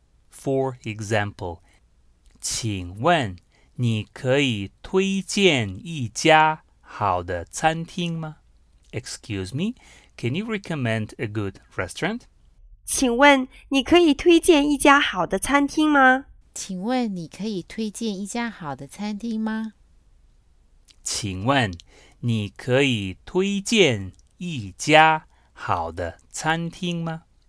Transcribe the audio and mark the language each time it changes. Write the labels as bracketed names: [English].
[English] For example, [Chinese] 请问, 你可以推荐一家好的餐厅吗? [English] Excuse me, can you recommend a good restaurant? [Chinese] 请问你可以推荐一家好的餐厅吗? 请问你可以推荐一家好的餐厅吗? 请问你可以推荐一家好的餐厅吗？